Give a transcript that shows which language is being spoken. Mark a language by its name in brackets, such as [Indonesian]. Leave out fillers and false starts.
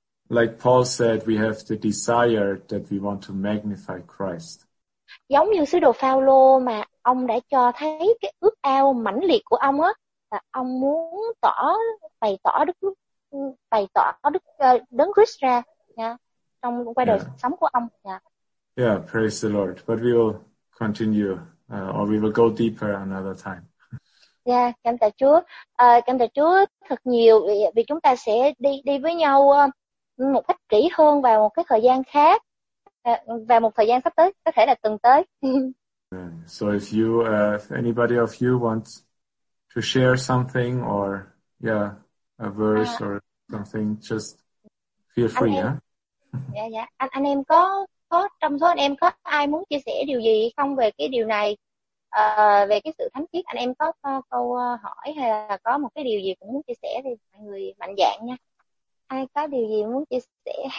[English] Like Paul said, we have the desire that we want to magnify Christ. [Vietnamese] Giống như sứ đồ Phao-lô mà ông đã cho thấy cái ước ao mãnh liệt của ông á, là ông muốn bày tỏ Đức Đấng Christ ra nha, trong qua đời sống của ông nha. [English] Yeah, praise the Lord. But we will continue or we will go deeper another time. [Vietnamese] Yeah, cảm tạ Chúa. Cảm tạ Chúa thật nhiều vì chúng ta sẽ đi với nhau một cách kỹ hơn vào một cái thời gian khác, vào một thời gian sắp tới, có thể là tuần tới. [English] So if you, if anybody of you wants to share something or a verse or something, just feel free. Yeah. [Vietnamese] Anh em có trong số anh em có ai muốn chia sẻ điều gì không về cái điều này, về cái sự thánh khiết, anh em có câu hỏi hay là có một cái điều gì cũng muốn chia sẻ thì mọi người mạnh dạn nha. Ai có điều gì muốn chia sẻ?